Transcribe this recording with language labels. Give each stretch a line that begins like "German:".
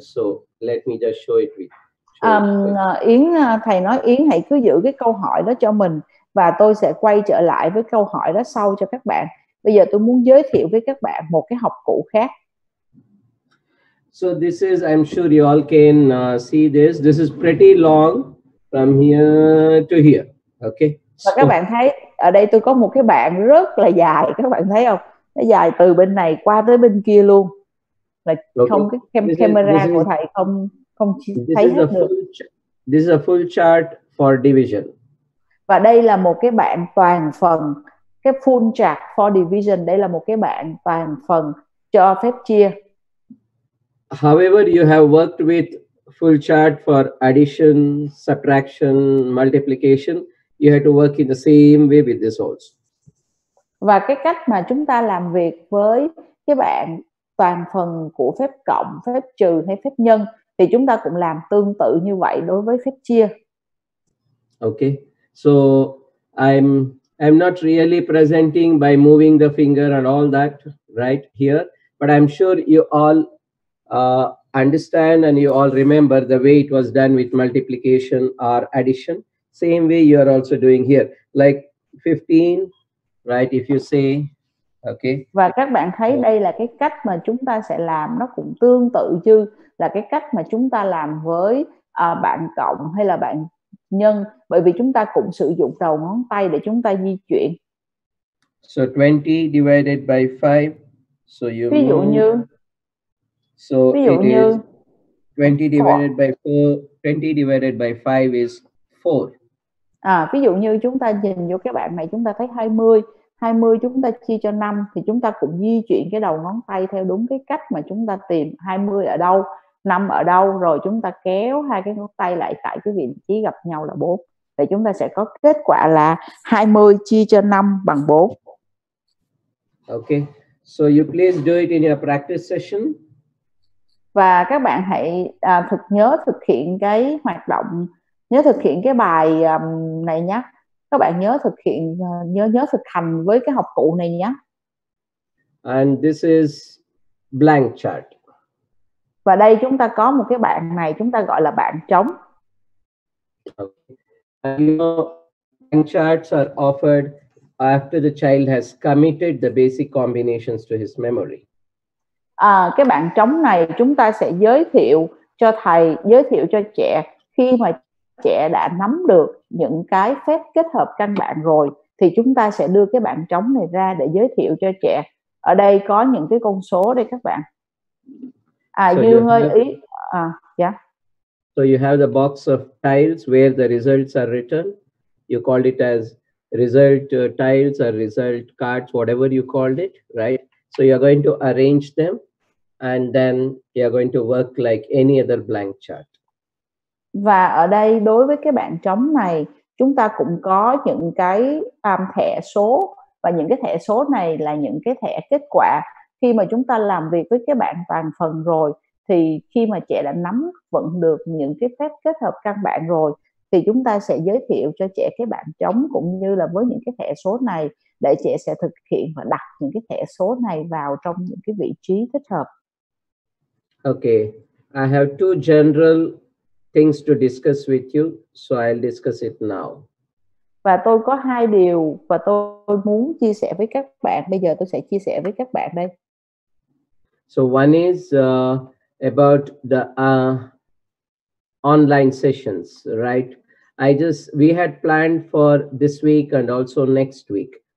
English: So let me just show it with you.
Vietnamese: Yến, thầy nói Yến hãy cứ giữ cái câu hỏi đó cho mình và tôi sẽ quay trở lại với câu hỏi đó sau cho các bạn. Bây giờ tôi muốn giới thiệu với các bạn một cái học cụ khác.
English: So this is, I'm sure you all can see this. This is pretty long from here to here. Okay.
Vietnamese: Và các bạn thấy ở đây tôi có một cái bảng rất là dài, các bạn thấy không? Nó dài từ bên này qua tới bên kia luôn. Là không cái camera của thầy không thấy hết được.
English: This is a full chart for division.
Vietnamese: Và đây là một cái bảng toàn phần, cái
English: full chart for division.
Vietnamese: Đây là một cái bảng toàn phần cho phép chia.
English: However, you have worked with full chart for addition, subtraction, multiplication. You have to work in the same way with this also.
Vietnamese: Và cái cách mà chúng ta làm việc với cái bảng toàn phần của phép cộng, phép trừ hay phép nhân, thì chúng ta cũng làm tương tự như vậy đối với phép chia.
English: Okay, so I'm not really presenting by moving the finger and all that right here, but I'm sure you all understand and you all remember the way it was done with multiplication or addition. Same way you are also doing here, like 15, right? If you say, okay.
Vietnamese: Và các bạn thấy đây là cái cách mà chúng ta sẽ làm, nó cũng tương tự như là cái cách mà chúng ta làm với bạn cộng hay là bạn nhân, bởi vì chúng ta cũng sử dụng đầu ngón tay để chúng ta di chuyển.
English: So 20 divided by 5, so you
Vietnamese: ví dụ
English: move.
Vietnamese: Như
English: so
Vietnamese: ví dụ
English: it
Vietnamese: như
English: is 20 divided by 4, 20 divided by 5 is 4.
Vietnamese: À, ví dụ như chúng ta nhìn vô cái bảng này, chúng ta thấy 20, 20 chúng ta chia cho 5, thì chúng ta cũng di chuyển cái đầu ngón tay theo đúng cái cách mà chúng ta tìm 20 ở đâu, 5 ở đâu, rồi chúng ta kéo hai cái ngón tay lại tại cái vị trí gặp nhau là 4. Thì chúng ta sẽ có kết quả là 20 chia cho 5 bằng 4.
English: Okay, so you please do it in your practice session.
Vietnamese: Và các bạn hãy thực nhớ thực hiện cái hoạt động, nhớ thực hiện cái bài này nhé. Các bạn nhớ thực hiện, nhớ thực hành với cái học cụ này nhé.
English: And this is blank chart.
Vietnamese: Và đây chúng ta có một cái bảng này, chúng ta gọi là bảng trống.
English: Okay. You know, blank charts are offered after the child has committed the basic combinations to his memory.
Vietnamese: À, cái bảng trống này chúng ta sẽ giới thiệu cho thầy, giới thiệu cho trẻ khi mà trẻ đã nắm được những cái phép kết hợp căn bản rồi, thì chúng ta sẽ đưa cái bảng trống này ra để giới thiệu cho trẻ. Ở đây có những cái con số đây các bạn. À, so Dương ơi, ý. À, yeah.
English: So you have the box of tiles where the results are written. You called it as result tiles or result cards, whatever you called it, right? So you are going to arrange them and then you are going to work like any other blank chart.
Vietnamese: Và ở đây đối với cái bảng trống này, chúng ta cũng có những cái thẻ số, và những cái thẻ số này là những cái thẻ kết quả. Khi mà chúng ta làm việc với cái bảng toàn phần rồi, thì khi mà trẻ đã nắm vững được những cái phép kết hợp căn bản rồi, thì chúng ta sẽ giới thiệu cho trẻ cái bảng trống cũng như là với những cái thẻ số này, để trẻ sẽ thực hiện và đặt những cái thẻ số này vào trong những cái vị trí thích hợp.
English: Okay, I have two general things to discuss with you, so I'll discuss it now.
Vietnamese: Và tôi có hai điều và tôi muốn chia sẻ với các bạn. Bây giờ tôi sẽ chia sẻ với các bạn đây.
English: So one is about the online sessions, right? We had planned for this week and also next week.